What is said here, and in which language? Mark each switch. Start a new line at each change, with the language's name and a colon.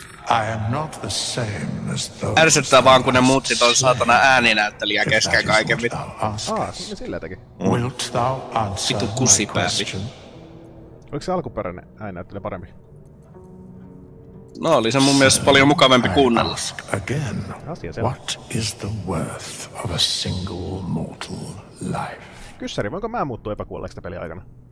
English: I am not the same as those.
Finnish: Ärsyttää vaan, kun ne muutsit on saatana ääninäyttelijä kesken kaiken mitä. Aas, kun ne sillä teki.
English: Wilt thou answer my question?
Finnish: Oliko se alkuperäinen ääninäyttelijä paremmin? No, oli se mun mielestä paljon mukavempi kuunnella.
English: Ask again, what is the worth of a single mortal life?
Finnish: Kyssäri, voinko mä muuttua epäkuolleeksi tämän pelin aikana?